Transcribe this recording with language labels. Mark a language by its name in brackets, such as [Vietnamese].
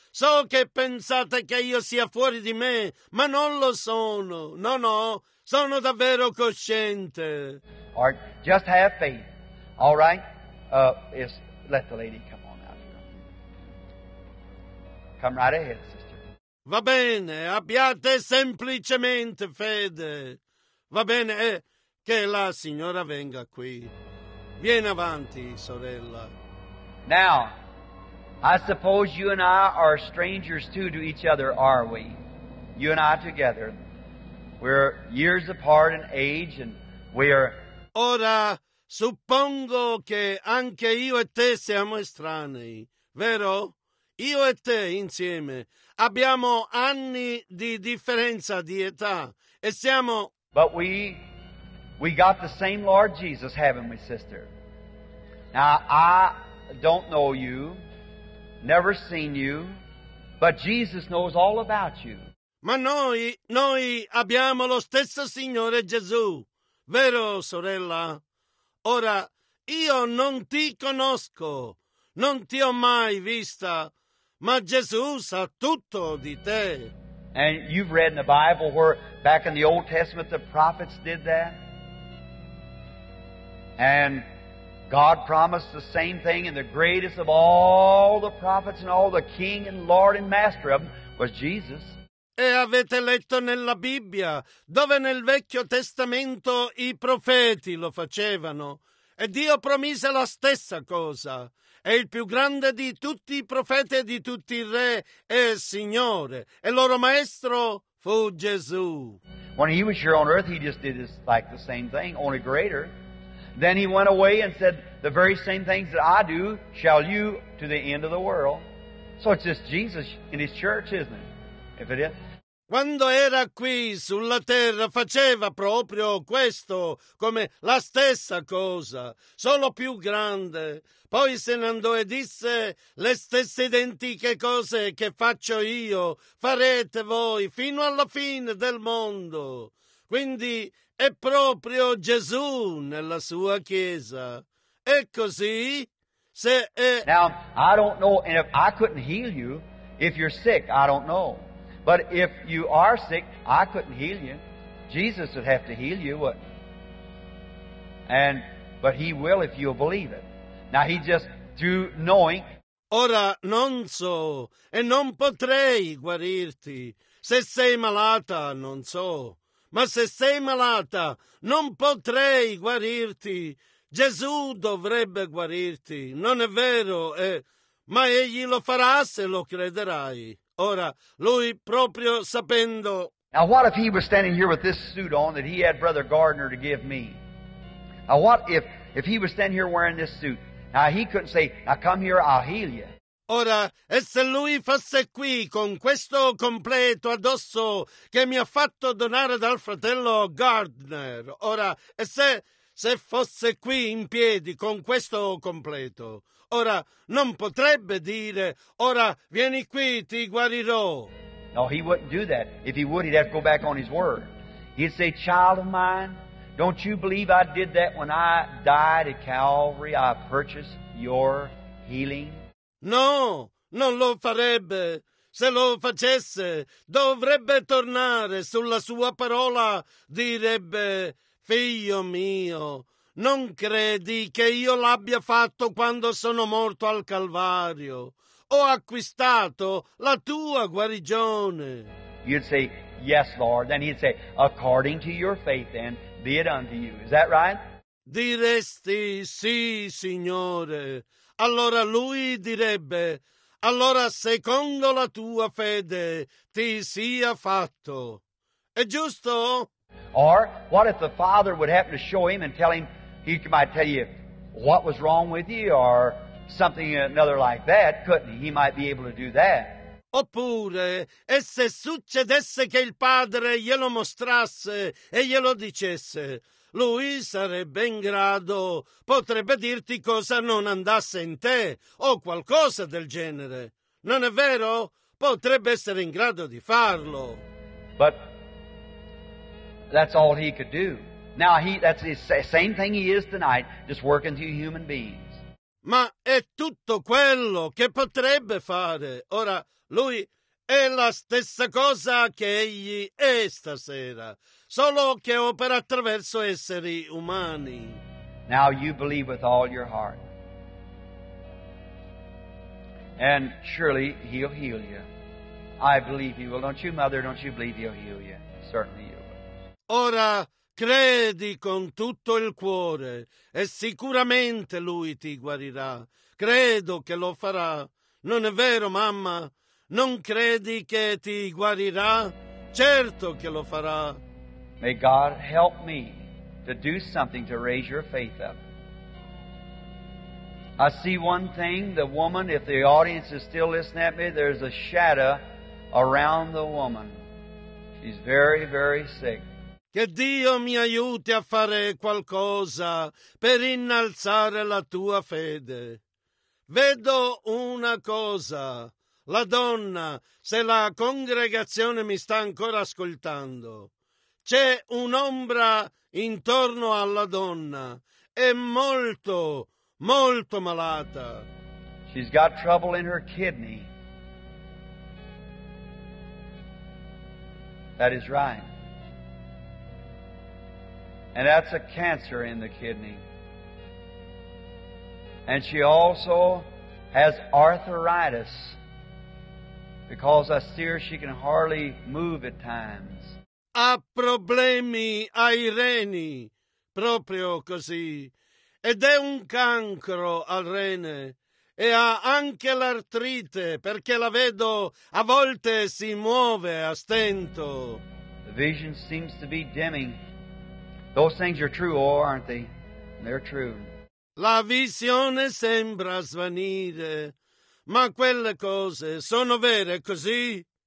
[Italian] So che pensate che io sia fuori di me, ma non lo sono. No, sono davvero cosciente. [English] All right, just have faith. All right, let the lady come on out here. Come right ahead, sister. [Italian] Va bene, abbiate semplicemente fede. Va bene, che la signora venga qui. Vieni avanti, sorella. [English] Now, I suppose you and I are strangers too to each other, are we? You and I together. We're years apart in age and we are... [Italian] Ora, suppongo che anche io e te siamo estranei, vero? Io e te insieme abbiamo anni di differenza di età e siamo... [English] But we got the same Lord Jesus, haven't we, sister? Now, I don't know you, never seen you, but Jesus knows all about you. [Italian] Ma noi abbiamo lo stesso Signore Gesù, vero, sorella? Ora, io non ti conosco, non ti ho mai vista... Ma Gesù sa tutto di te. [English] And you've read in the Bible where back in the Old Testament the prophets did that. And God promised the same thing, and the greatest of all the prophets and all the king and lord and master of them was Jesus. [Italian] E avete letto nella Bibbia dove nel Vecchio Testamento i profeti lo facevano. E Dio promise la stessa cosa. È il più grande di tutti i profeti e di tutti i re e Signore. E loro maestro fu Gesù. [English] When he was here on earth, he just did this, like the same thing, only greater. Then he went away and said, the very same things that I do, shall you to the end of the world. So it's just Jesus in his church, isn't it? If it is. [Italian] Quando era qui sulla terra faceva proprio questo, come la stessa cosa, solo più grande. Poi se ne andò e disse le stesse identiche cose che faccio io, farete voi fino alla fine del mondo. Quindi è proprio Gesù nella sua chiesa. E così se è... [English] Now, I don't know, and if I couldn't heal you, if you're sick, I don't know. But if you are sick, I couldn't heal you. Jesus would have to heal you, wouldn't he? But He will if you'll believe it. Now He just, through knowing... [Italian] Ora non so, e non potrei guarirti. Se sei malata, non so. Ma se sei malata, non potrei guarirti. Gesù dovrebbe guarirti. Non è vero, ma Egli lo farà se lo crederai. Ora, lui proprio sapendo... [English] Now what if he was standing here with this suit on that he had Brother Gardner to give me? Now what if he was standing here wearing this suit? Now he couldn't say, now come here, I'll heal you. [Italian] Ora, e se lui fosse qui con questo completo addosso che mi ha fatto donare dal fratello Gardner? Ora, e se, se fosse qui in piedi con questo completo. Ora non potrebbe dire, ora vieni qui, ti guarirò. [English] No, he wouldn't do that. If he would, he'd have to go back on his word. He'd say, child of mine, don't you believe I did that when I died at Calvary? I purchased your healing? [Italian] No, non lo farebbe. Se lo facesse, dovrebbe tornare sulla sua parola. Direbbe, figlio mio, non credi che io l'abbia fatto quando sono morto al Calvario? Ho acquistato la tua guarigione. [English] You'd say, yes, Lord. Then he'd say, according to your faith, then, be it unto you. Is that right? [Italian] Diresti, sì, Signore. Allora lui direbbe, allora secondo la tua fede ti sia fatto. È giusto? [English] Or, what if the father would happen to show him and tell him, he might tell you what was wrong with you, or something another like that, couldn't he? He might be able to do that. [Italian] Oppure, e se succedesse che il padre glielo mostrasse e glielo dicesse, lui sarebbe in grado, potrebbe dirti cosa non andasse in te o qualcosa del genere. Non è vero? Potrebbe essere in grado di farlo. [English] But that's all he could do. Now that's the same thing he is tonight, just working through human beings. [Italian] Ma è tutto quello che potrebbe fare. Ora, lui è la stessa cosa che egli è stasera, solo che opera attraverso esseri umani. [English] Now you believe with all your heart. And surely he'll heal you. I believe he will. Don't you, mother? Don't you believe he'll heal you? Certainly you will. [Italian] Ora, credi con tutto il cuore e sicuramente lui ti guarirà. Credo che lo farà. Non è vero, mamma? Non credi che ti guarirà? Certo che lo farà. [English] May God help me to do something to raise your faith up. I see one thing, the woman, if the audience is still listening at me, there's a shadow around the woman. She's very, very sick. [Italian] Che Dio mi aiuti a fare qualcosa per innalzare la tua fede. Vedo una cosa. La donna, se la congregazione mi sta ancora ascoltando, c'è un'ombra intorno alla donna. È molto, molto malata. [English] She's got trouble in her kidney. That is right. And that's a cancer in the kidney. And she also has arthritis because I see her, she can hardly move at times. [Italian] Ha problemi ai reni, proprio così. Ed è un cancro al rene. E ha anche l'artrite perché la vedo a volte si muove a stento. [English] The vision seems to be dimming. Those things are true, or aren't they? They're true. [Italian] La visione sembra svanire, ma quelle cose sono vere, così?